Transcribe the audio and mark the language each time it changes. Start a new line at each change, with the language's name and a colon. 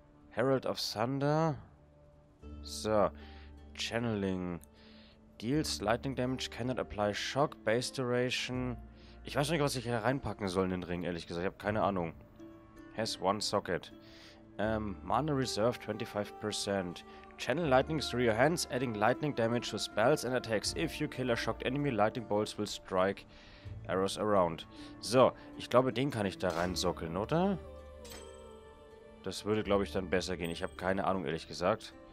English: Herald of Thunder. So, Channeling. Deals Lightning Damage, cannot apply Shock, Base Duration.
German: Ich weiß nicht, was ich hier reinpacken soll in den Ring, ehrlich gesagt. Ich habe keine Ahnung.
English: Has one socket. Mana Reserve 25%. Channel Lightning through your hands, adding Lightning Damage to spells and attacks. If you kill a shocked enemy, Lightning Bolts will strike arrows around.
German: So, ich glaube, den kann ich da reinsockeln, oder? Das würde, glaube ich, dann besser gehen. Ich habe keine Ahnung, ehrlich gesagt.